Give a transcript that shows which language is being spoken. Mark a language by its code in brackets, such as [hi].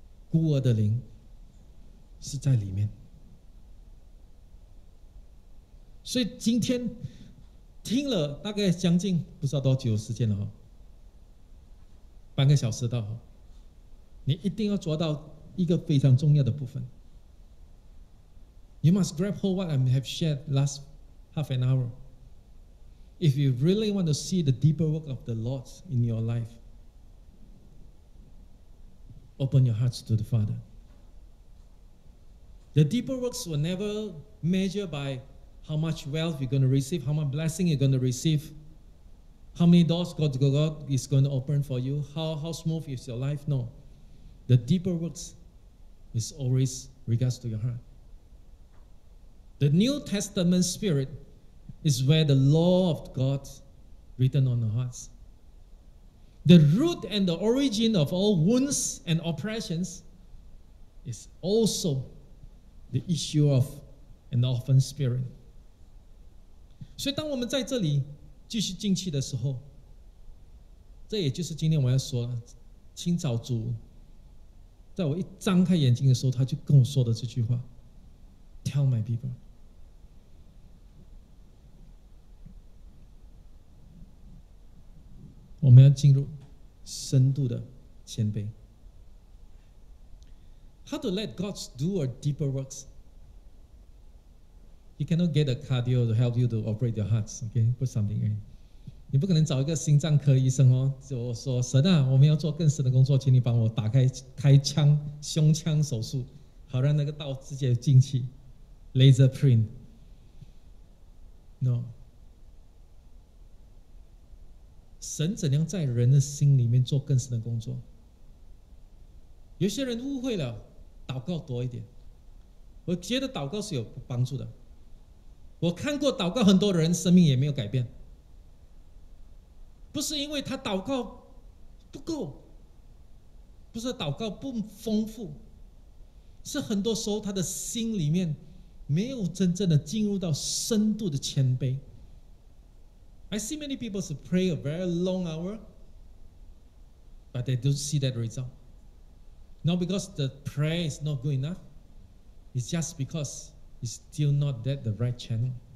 [zh] 孤儿的灵是在里面。所以今天听了大概将近不知道多久时间了，半个小时到，你一定要抓到一个非常重要的部分。 [en] You must grab hold what I have shared last half an hour. If you really want to see the deeper work of the Lord in your life, open your hearts to the Father. The deeper works were never measured by how much wealth you're going to receive, how much blessing you're going to receive,How many doors God is going to open for you? How smooth is your life? No. The deeper works is always regards to your heart. The New Testament spirit is where the law of God written on our hearts. The root and the origin of all wounds and oppressions is also the issue of an orphan spirit. [zh] 所以当我们在这里继续进去的时候，这也就是今天我要说清早主在我一张开眼睛的时候他就跟我说的这句话， [en] Tell my people， [zh] 我们要进入深度的谦卑。 [en] How to let God do a deeper works？ You cannot get a cardio to help you to operate your hearts, okay? Put something in. [zh] 你不可能找一个心脏科医生哦，就说神啊，我们要做更深的工作，请你帮我打开开腔胸腔手术，好让那个刀直接进去 ， [en] laser print. No. [zh] 神怎样在人的心里面做更深的工作？有些人误会了，祷告多一点，我觉得祷告是有帮助的。我看过祷告很多人生命也没有改变，不是因为他祷告不够，不是祷告不丰富，是很多时候他的心里面没有真正的进入到深度的谦卑。 [en] I see many people to pray a very long hour but they don't see that result. Not because the prayer is not good enough, it's just becauseIt's still not that the right channel.